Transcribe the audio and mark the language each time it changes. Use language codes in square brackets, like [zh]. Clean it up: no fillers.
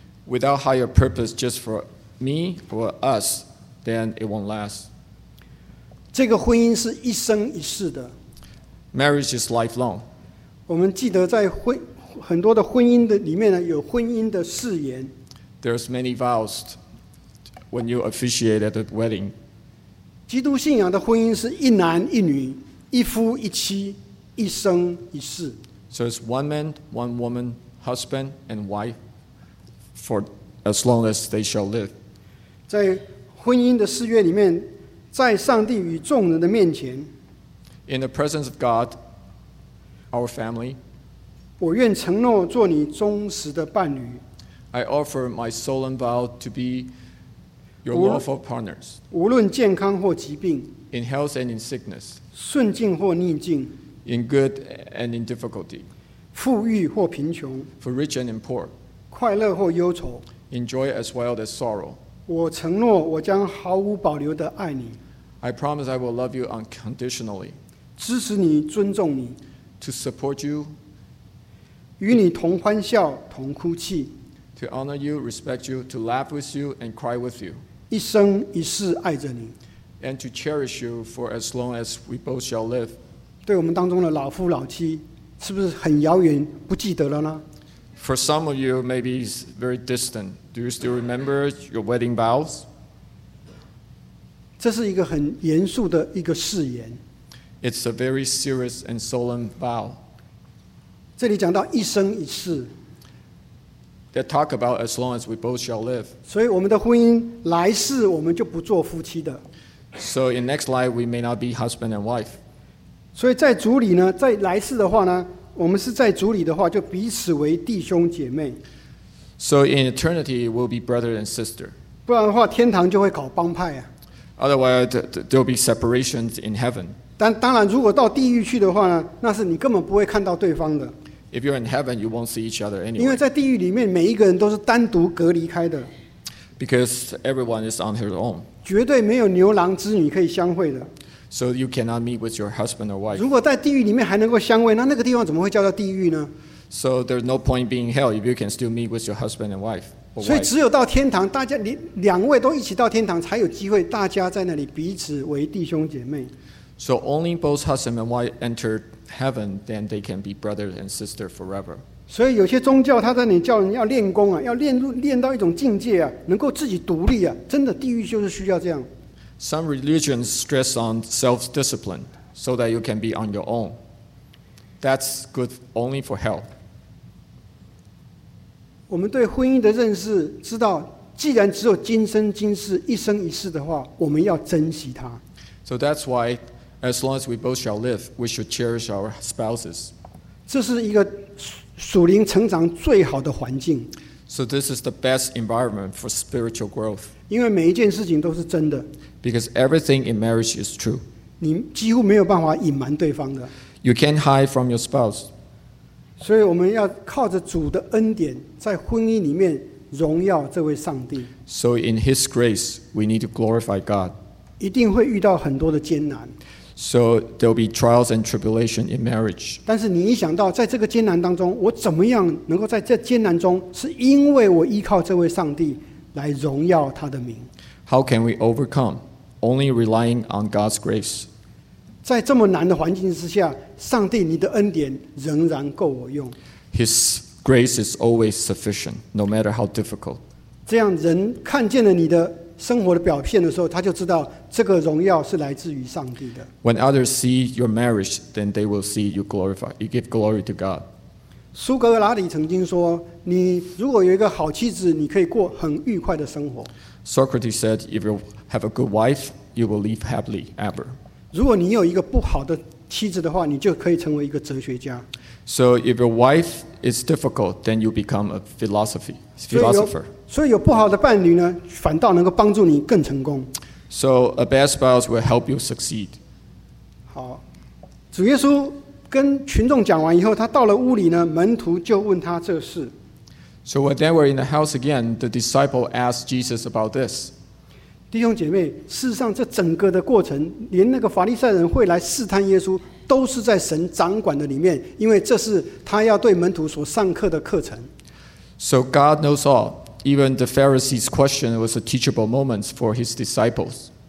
[en] Without higher purpose, just for me or us, then it won't last. [zh] 这个婚姻是一生一世的。 [en] Marriage is lifelong. [zh] 我们记得在很多的婚姻的里面呢，有婚姻的誓言。 [en] There's many vows when you officiate at a wedding. [zh] 基督信仰的婚姻是一男一女，一夫一妻，一生一世。 [en] So it's one man, one woman, husband and wife for as long as they shall live. [zh] 在婚姻的誓约里面，在上帝与众人的面前。 [en] In the presence of God, our family. [zh] 我愿承诺做你忠实的伴侣。 [en] I offer my solemn vow to be your lawful partners. [zh] 无论健康或疾病。 [en] In health and in sickness. [zh] 顺境或逆境。 [en] In good and in difficulty. [zh] 富裕或贫穷。 [en] For rich and in poor. [zh] 快乐或忧愁。 [en] In joy as well as sorrow. [zh] 我承诺我将毫无保留地爱你。 [en] I promise I will love you unconditionally. [zh] 支持你，尊重你。 [en] To support you. [zh] 与你同欢笑，同哭泣。 [en] To honor you, respect you, to laugh with you and cry with you. [zh] 一生一世爱着你。 [en] And to cherish you for as long as we both shall live. [zh] 对我们当中的老夫老妻，是不是很遥远，不记得了呢？ [en] For some of you, maybe it's very distant. Do you still remember your wedding vows? [zh] 这是一个很严肃的一个誓言。 [en] It's a very serious and solemn vow. [zh] 这里讲到一生一世。 [en] They talk about as long as we both shall live. [zh] 所以我们的婚姻来世我们就不做夫妻的。 [en] So in next life we may not be husband and wife. [zh] 所以在主里呢，在来世的话呢，我们是在主里的话，就彼此为弟兄姐妹。 [en] So in eternity we'll be brother and sister. [zh] 不然的话，天堂就会搞帮派啊。 [en] Otherwise there'll be separations in heaven. [zh] 但当然，如果到地狱去的话呢，那是你根本不会看到对方的。 [en] If you're in heaven, you won't see each other anyway. [zh] 因为在地狱里面，每一个人都是单独隔离开的。 [en] Because everyone is on his own. [zh] 绝对没有牛郎织女可以相会的。 [en] So you cannot meet with your husband or wife. [zh] 如果在地狱里面还能够相会，那那个地方怎么会叫做地狱呢？ [en] So there's no point being hell if you can still meet with your husband and wife. [zh] 所以只有到天堂，大家两位都一起到天堂，才有机会大家在那里彼此为弟兄姐妹。 [en] So only both husband and wife enter heaven, then they can be brother and sister forever. [zh] 所以有些宗教他在那里叫人要练功啊，要 练到一种境界啊，能够自己独立啊，真的地狱就是需要这样。 [en] Some religions stress on self-discipline so that you can be on your own. That's good only for hell. [zh] 我们对婚姻的认识知道，既然只有今生今世一生一世的话，我们要珍惜它。 [en] So that's why, as long as we both shall live, we should cherish our spouses. [zh] 这是一个属灵成长最好的环境。 [en] So this is the best environment for spiritual growth. [zh] 因为每一件事情都是真的。 [en] Because everything in marriage is true. [zh] 你几乎没有办法隐瞒对方的。 [en] You can't hide from your spouse. [zh] 所以我们要靠着主的恩典，在婚姻里面荣耀这位上帝。 [en] So in His grace, we need to glorify God. [zh] 一定会遇到很多的艰难。 [en] So there'll be trials and tribulation in marriage. [zh] 但是你一想到在这个艰难当中，我怎么样能够在这艰难中，是因为我依靠这位上帝来荣耀他的名。 [en] How can we overcome? Only relying on God's grace. [zh] 在这么难的环境之下，上帝你的恩典仍然够我用。 [en] His grace is always sufficient, no matter how difficult. [zh] 这样人看见了你的生活的表现的时候，他就知道这个荣耀是来自于上帝的。 [en] When others see your marriage, then they will see you glorify. You give glory to God. [zh] 苏格拉底曾经说，你如果有一个好妻子，你可以过很愉快的生活。 [en] Socrates said, if you have a good wife, you will live happily ever. [zh] 如果你有一个不好的妻子的话，你就可以成为一个哲学家。 [en] So if your wife is difficult, then you become a philosopher. [zh] 所以有不好的伴侣呢，反倒能够帮助你更成功。 [en] So a bad spouse will help you succeed. [zh] 好，主耶稣跟群众讲完以后，他到了屋里呢，门徒就问他这事。 [en] So when they were in the house again, the disciple asked Jesus about this. [zh] 弟兄姐妹，事实上这整个的过程，连那个法利赛人会来试探耶稣，都是在神掌管的里面，因为这是他要对门徒所上课的课程。 [en] So God knows all. Even the Pharisees' question was a teachable moment for his disciples.